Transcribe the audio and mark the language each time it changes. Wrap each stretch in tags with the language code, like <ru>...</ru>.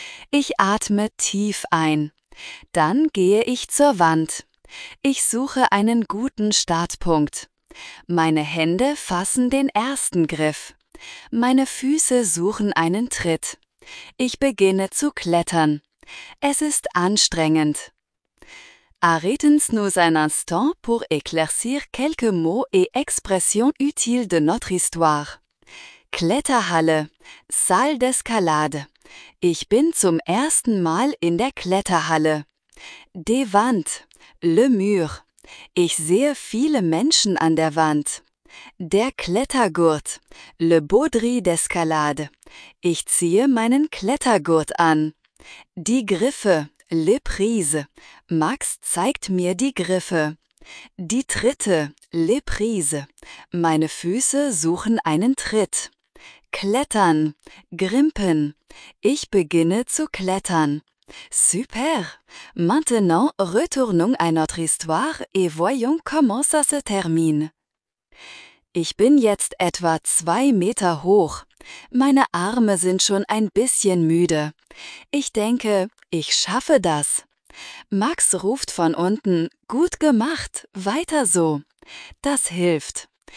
<de>Ich atme tief ein. Dann gehe ich zur Wand. Ich suche einen guten Startpunkt. Meine Hände fassen den ersten Griff. Meine Füße suchen einen Tritt. Ich beginne zu klettern. Es ist anstrengend.</de> <fr>Arrêtons-nous un instant pour éclaircir quelques mots et expressions utiles de notre histoire.</fr> <de>Kletterhalle,</de> <fr>Salle d'escalade.</fr> <de>Ich bin zum ersten Mal in der Kletterhalle. Die Wand,</de> <fr>le mur.</fr> <de>Ich sehe viele Menschen an der Wand. Der Klettergurt,</de> <fr>le baudri d'escalade.</fr> <de>Ich ziehe meinen Klettergurt an. Die Griffe,</de> <fr>les prises.</fr> <de>Max zeigt mir die Griffe. Die Tritte,</de> <fr>les prises.</fr> <de>Meine Füße suchen einen Tritt. Klettern,</de> <fr>grimpen.</fr> <de>Ich beginne zu klettern. Super!</de> <fr>Maintenant, retournons à notre histoire et voyons comment ça se termine.</fr> <de>Ich bin jetzt etwa 2 Meter hoch. Meine Arme sind schon ein bisschen müde. Ich denke, ich schaffe das. Max ruft von unten, gut gemacht, weiter so. Das hilft.</de>